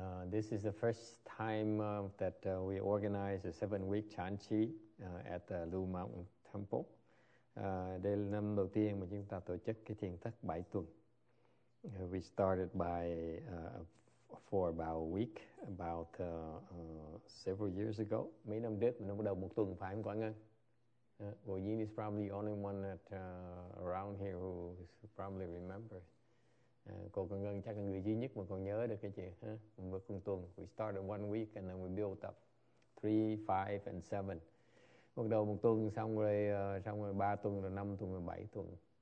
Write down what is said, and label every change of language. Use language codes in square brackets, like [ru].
[en] This is the first time that we organize a 7-week Chan Chi at the Lu Mountain Temple. [vi] Đây là năm đầu tiên mà chúng ta tổ chức cái thiền thất 7 tuần. [en] We started by for about a week, about several years ago. [vi] Mấy năm trước mình bắt đầu một tuần phải không, Quảng Ngân? [en] Well, Yin is probably the only one that around here who probably remembers. [vi] Cô Quảng Ngân chắc là người duy nhất mà còn nhớ được cái chuyện. Huh? Một tuần. [en] We started 1 week and then we built up 3, 5, and 7. [vi] Bắt đầu một tuần xong rồi 3 tuần rồi 5 tuần rồi 7 tuần.